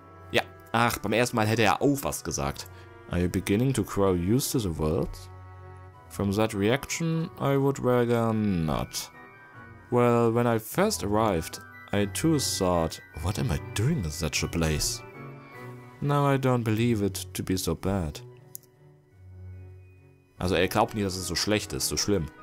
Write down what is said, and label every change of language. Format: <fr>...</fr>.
<de>Ja, ach, beim ersten Mal hätte er auch was gesagt.</de> <en>Are you beginning to grow used to the world? From that reaction, I would rather not. Well, when I first arrived, I too thought, what am I doing in such a place? Now I don't believe it to be so bad.</en> <de>Also er glaubt nie, dass es so schlecht ist, so schlimm.</de>